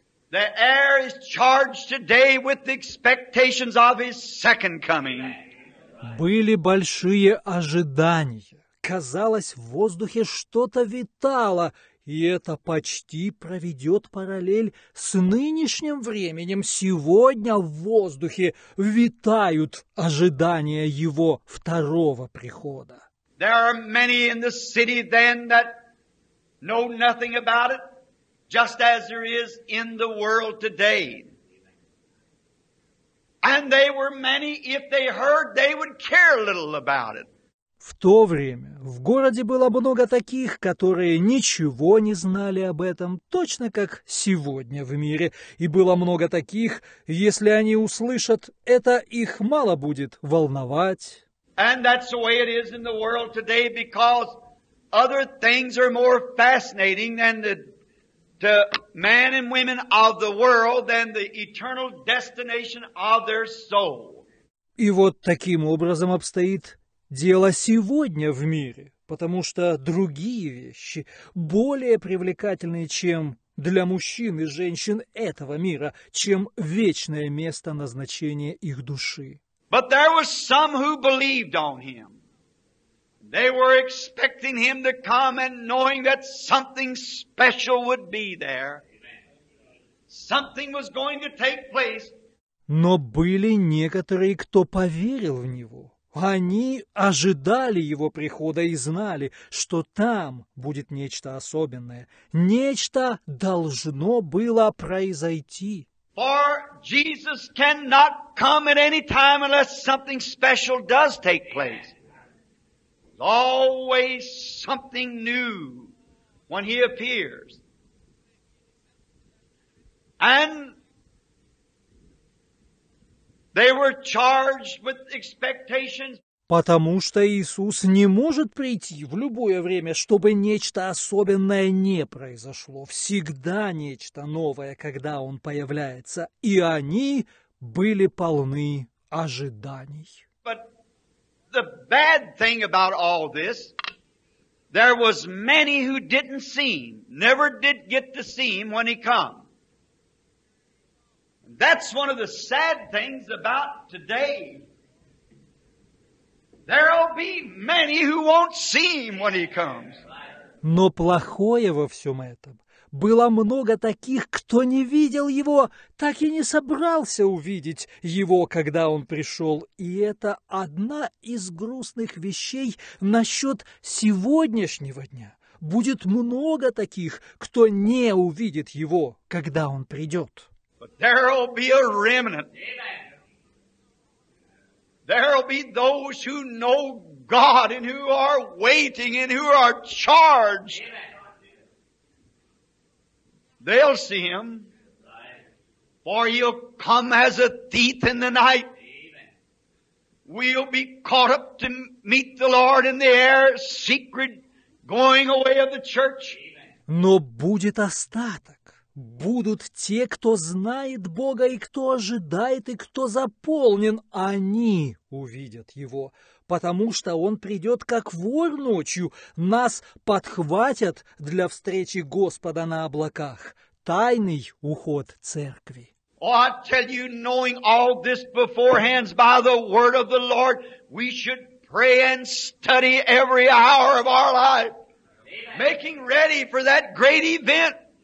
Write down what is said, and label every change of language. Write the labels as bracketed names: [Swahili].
[English] The air is charged today with the expectations of His second coming. [Russian] Были большие ожидания. Казалось, в воздухе что-то витало. И это почти проведет параллель с нынешним временем. Сегодня в воздухе витают ожидания Его второго прихода. [English] There are many in the city then that know nothing about it, just as there is in the world today. And they were many, if they heard, they would care little about it. [Russian] В то время в городе было много таких, которые ничего не знали об этом, точно как сегодня в мире. И было много таких, если они услышат, это их мало будет волновать. [English] And that's the way it is in the world today, because other things are more fascinating than to men and women of the world than the eternal destination of their soul. [Russian] И вот таким образом обстоит дело сегодня в мире, потому что другие вещи более привлекательны, чем для мужчин и женщин этого мира, чем вечное место назначения их души. [English] But there were some who believed on him. They were expecting him to come and knowing that something special would be there. Something was going to take place. [Russian] Но были некоторые, кто поверил в него. Они ожидали его прихода и знали, что там будет нечто особенное. Нечто должно было произойти. [English] For Jesus cannot come at any time unless something special does take place. There's always something new when he appears. And they were charged with expectations. [Russian] Потому что Иисус не может прийти в любое время, чтобы нечто особенное не произошло. Всегда нечто новое, когда Он появляется. И они были полны ожиданий. [English] But the bad thing about all this, there was many who didn't see him, never did get to see him when he come. That's one of the sad things about today. There'll be many who won't see him when he comes. [Russian] Но плохое во всем этом. Было много таких, кто не видел его, так и не собрался увидеть его, когда он пришел. И это одна из грустных вещей насчет сегодняшнего дня. Будет много таких, кто не увидит его, когда он придет. [English] But there'll be a remnant. There'll be those who know God and who are waiting and who are charged. They'll see him, for he'll come as a thief in the night. We'll be caught up to meet the Lord in the air, secret going away of the church. [Russian] Но будет остаток. Будут те, кто знает Бога, и кто ожидает, и кто заполнен, они увидят Его, потому что Он придет, как вор ночью, нас подхватят для встречи Господа на облаках. Тайный уход церкви. [English] Oh, I tell you, knowing all this beforehand by the word of the Lord, we should pray and study every hour of our life, making ready for that great event.